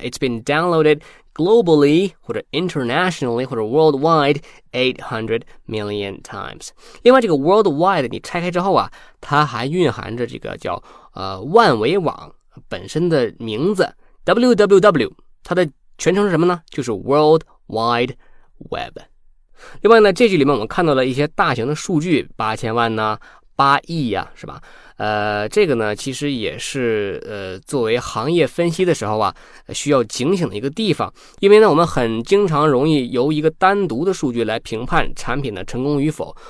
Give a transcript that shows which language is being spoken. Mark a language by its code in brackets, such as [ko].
[en] It's been downloaded globally [zh] 或者 [en] internationally 或者 worldwide 800 million times。 [zh] 另外这个 worldwide 你拆开之后啊，它还蕴含着这个叫万维网本身的名字 www， 它的全称是什么呢？就是 [en] world wide web。 [zh] 另外呢这句里面我们看到了一些大型的数据，8000万呢八亿呀、啊，是吧？这个呢，其实也是作为行业分析的时候啊，需要警醒的一个地方，因为呢，我们很经常容易由一个单独的数据来评判产品的成功与否。